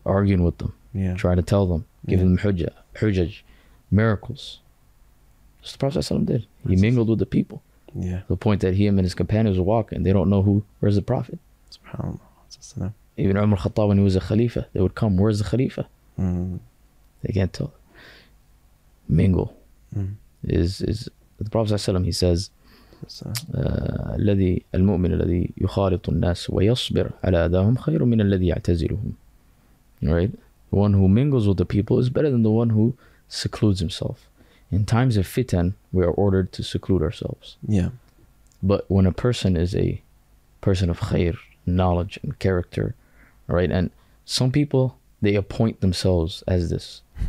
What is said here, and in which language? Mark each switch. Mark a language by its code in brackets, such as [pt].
[en] Arguing with them, trying to tell them, giving them hujjaj, miracles. That's the Prophet ﷺ did. He mingled with the people. Yeah. To the point that him and his companions were walking, they don't know where's the Prophet. SubhanAllah. Even Umar Khattab, when he was a Khalifa, they would come, where's the Khalifa? They can't tell. Mingle. Is the Prophet ﷺ, he says, [ar] الذي المؤمن الذي يخالط الناس ويصبر على أذاهم خير من الذي يعتزلهم. [en] Right? The one who mingles with the people is better than the one who secludes himself. In times of fitan, we are ordered to seclude ourselves. Yeah. But when a person is a person of khair, knowledge and character, right? And some people, they appoint themselves as this.